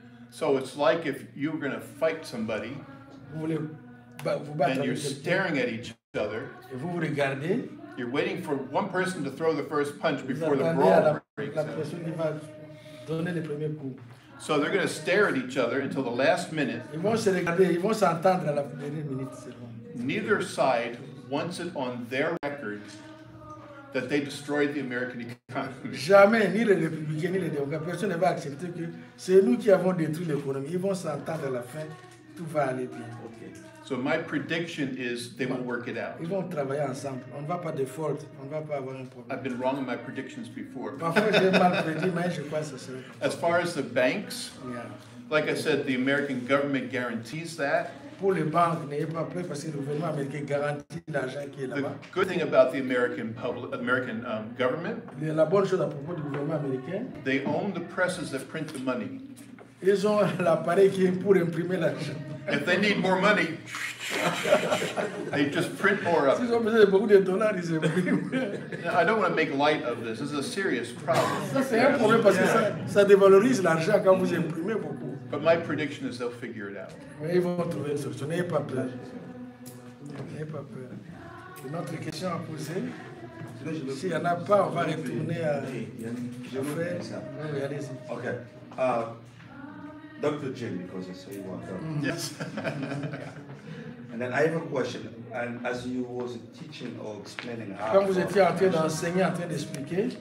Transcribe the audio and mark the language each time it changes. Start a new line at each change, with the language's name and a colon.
English: So it's like if you're going to fight somebody.
French: Vous voulez vous battre.
English: And you're staring at each other.
French: Et vous regardez.
English: You're waiting for one person to throw the first punch before the brawl breaks out.
French: La personne qui va donner le premier coup.
English: So they're going to stare at each other until the last minute.
French: Ils vont se regarder, ils vont s'entendre à la dernière minute seulement.
English: Neither side wants it on their record that they destroyed the American economy.
French: Jamais, ni les républicains ni les démocrates, personne ne va accepter que c'est nous qui avons détruit l'économie. Ils vont s'entendre à la fin, tout va aller bien. Okay.
English: So my prediction is they will work it out.
French: Ils vont travailler ensemble. On ne va pas default. On ne va pas avoir un problème.
English: I've been wrong in my predictions before.
French: Parfois j'ai mal prédit, mais je crois que ça serait.
English: As far as the banks, like I said, the American government guarantees that.
French: Pour les banques, n'ayez pas peur parce que le gouvernement américain garantit l'argent qui est là-bas.
English: The good thing about the American public, American government.
French: La bonne chose à propos du gouvernement américain.
English: They own the presses that print the money.
French: Ils ont l'appareil qui est pour imprimer l'argent.
English: If they need more money, they just print more of it.
French: Si ils ont besoin de beaucoup de dollars, ils impriment.
English: I don't want to make light of this. This is a serious problem.
French: Ça c'est un problème parce que ça dévalorise l'argent quand vous imprimez beaucoup.
English: But my prediction is they'll figure it out.
French: Mais ils vont trouver une solution. N'ayez pas peur. N'ayez pas peur. Une autre question à poser. S'il n'y en a pas, on va retourner à Geoffrey.
English: OK. Dr. Jim, because I saw you walk up. Yes. And then I have a question. And as you was teaching or explaining how...
French: Quand vous étiez en train d'enseigner, en train d'expliquer...